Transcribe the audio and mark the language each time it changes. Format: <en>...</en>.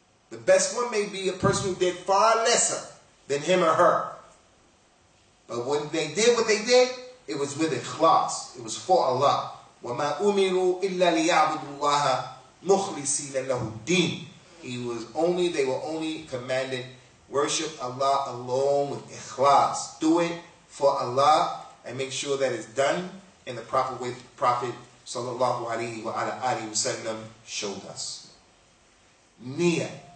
<en>The best one may be a person who did far lesser than him or her. But when they did what they did, it was with ikhlas. It was for Allah.</en> <ar>وَمَا أُمِرُوا إِلَّا لِيَعْبُدُوا اللَّهَ مُخْلِصِينَ لَهُ الدِّينِ.</ar> <en>They were only commanded Worship Allah alone with ikhlas. Do it for Allah and make sure that it's done in the proper way the Prophet sallallahu alayhi wa alayhi wa sallam showed us. Niyyah.</en>